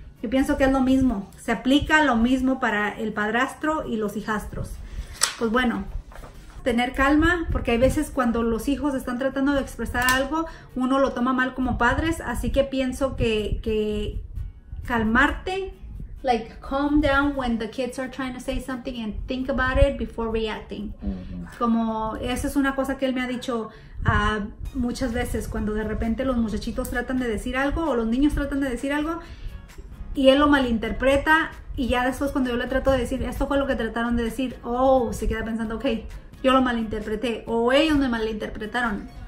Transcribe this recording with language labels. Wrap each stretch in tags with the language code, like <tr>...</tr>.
<es>Yo pienso que es lo mismo, se aplica lo mismo para el padrastro y los hijastros. Pues bueno, tener calma, porque hay veces cuando los hijos están tratando de expresar algo, uno lo toma mal como padres, así que pienso que calmarte.</es> <en>Like, calm down when the kids are trying to say something and think about it before reacting. Mm-hmm.</en> <es>Como, esa es una cosa que él me ha dicho muchas veces, cuando de repente los muchachitos tratan de decir algo o los niños tratan de decir algo y él lo malinterpreta y ya después cuando yo le trato de decir, esto fue lo que trataron de decir, oh, se queda pensando, okay, yo lo malinterpreté o ellos me malinterpretaron.</es>